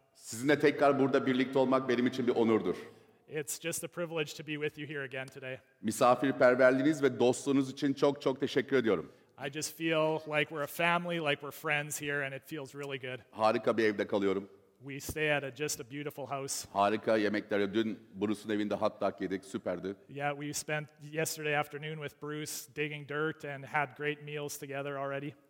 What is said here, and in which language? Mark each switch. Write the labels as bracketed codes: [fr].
[tr] Sizinle tekrar burada birlikte olmak benim için bir onurdur. [en] It's just a privilege to be with you here again today. [tr] Misafirperverliğiniz ve dostluğunuz için çok çok teşekkür ediyorum. [en] I just feel like we're a family, like we're friends here, and it feels really good. [tr] Harika bir evde kalıyorum. [en] We stay at just a beautiful house. [tr] Harika yemekler. Dün Bruce'un evinde hot dog yedik. Süperdi. [en] Yeah, we spent yesterday afternoon with Bruce digging dirt and had great meals together already.